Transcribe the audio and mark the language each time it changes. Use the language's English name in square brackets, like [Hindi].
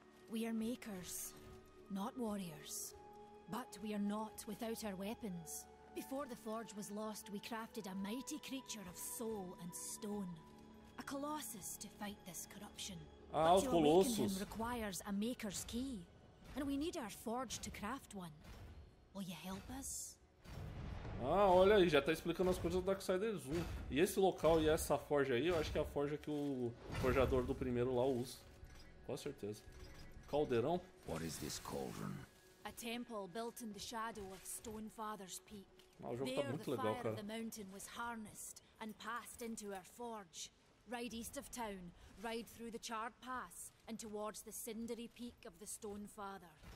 [English] We are makers, not warriors. But we are not without our weapons. Before the forge was lost, we crafted a mighty creature of soul and stone. A colossus to fight this corruption. Ah, but to colossus. Awaken him requires a maker's key. And we need our forge to craft one. Will you help us? [Portuguese] Ah, olha aí, já tá explicando as coisas do Darksiders 1. E esse local e essa forja aí, eu acho que é a forja que o forjador do primeiro lá usa. Com certeza. Caldeirão? [English] What is this cauldron? A temple built in the shadow of Stonefather's Peak. [Portuguese] Ah, o jogo tá muito legal, cara. [English] The mountain was harnessed and passed into our forge. Ride east of town, ride through the charred pass and towards the cindery peak of the Stonefather.